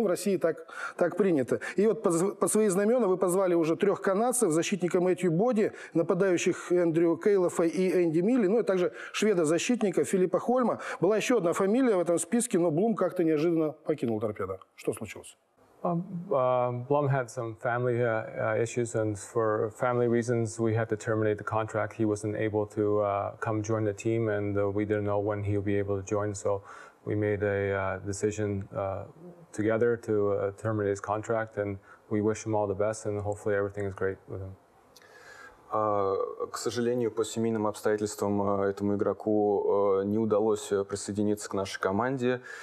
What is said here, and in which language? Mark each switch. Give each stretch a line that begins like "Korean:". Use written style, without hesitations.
Russian: В России так принято. И вот под свои знамена вы позвали уже трех канадцев, защитника Мэтью Боди, нападающих Эндрю Кейлофа и Энди Милли, ну и также шведа-защитника Филиппа Хольма. Была еще одна фамилия в этом списке, но Блум как-то неожиданно покинул «Торпедо». Что случилось?
English: Блум had some family issues, and for family reasons we had to terminate the contract. He wasn't able to come join the team, and we didn't know when he'll be able to join, so we made a decision together to terminate his contract, and we wish him all the best, and hopefully everything is great with him.
Russian: К сожалению, по семейным обстоятельствам этому игроку не удалось присоединиться к нашей команде.